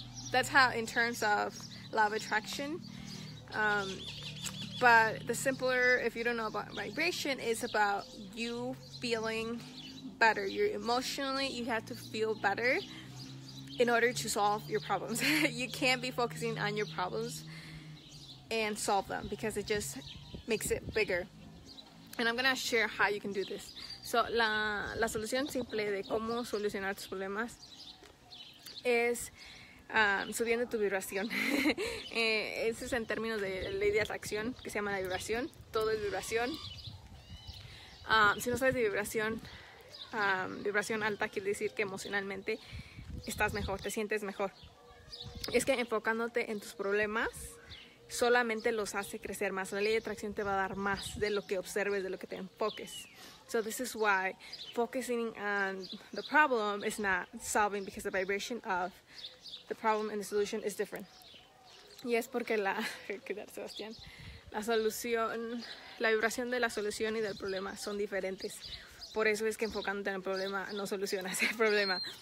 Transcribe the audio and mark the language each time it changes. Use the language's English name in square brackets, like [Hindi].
[English] That's how, in terms of law of attraction. But the simpler, if you don't know about vibration, is about you feeling better. You're emotionally, you have to feel better in order to solve your problems. You can't be focusing on your problems and solve them, because it just makes it bigger. And I'm gonna share how you can do this. [Spanish] So la solución simple de cómo solucionar tus problemas es subiendo tu vibración. Ese es en términos de ley de atracción, que se llama la vibración. Todo es vibración. Si no sabes de vibración, vibración alta quiere decir que emocionalmente estás mejor, te sientes mejor. Es que enfocándote en tus problemas solamente los hace crecer más. La ley de atracción te va a dar más de lo que observes, de lo que te enfoques. [English] So this is why focusing on the problem is not solving, because the vibration of the problem and the solution is different. [Spanish] Y es porque la vibración de la solución y del problema son diferentes. Por eso es que enfocándote en el problema no solucionas el problema.